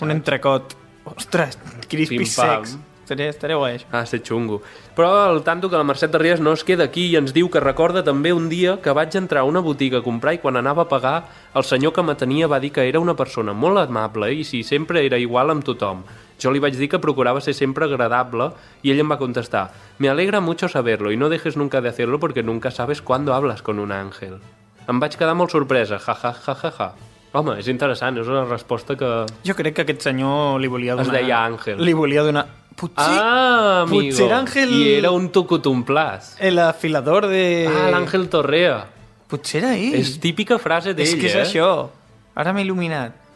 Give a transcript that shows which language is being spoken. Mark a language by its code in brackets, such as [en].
[ca] Un entrecot. Ostres, crispis secs. Estaré guai, això. Ah, ser xungo. Però el tanto que la Mercè Tarrides no es queda aquí i ens diu que recorda també un dia que vaig entrar a una botiga a comprar i quan anava a pagar, el senyor que m'atenia va dir que era una persona molt amable i si sempre era igual amb tothom. Jo li vaig dir que procurava ser sempre agradable i ell em va contestar [es] «Me alegra mucho saberlo y no dejes nunca de hacerlo porque nunca sabes cuándo hablas con un ángel». [ca] Em vaig quedar molt sorpresa, ja, ja, ja, ja, ja. Home, és interessant, és una resposta que... Jo crec que aquest senyor li volia donar... Es deia Ángel. Li volia donar... Potser Ángel... I era un tucutumplas. [es] El afilador de... [ca] Ah, l'Ángel Torrea. Potser era ell. És típica frase d'ell, eh? És que és això. Ara m'he il·luminat.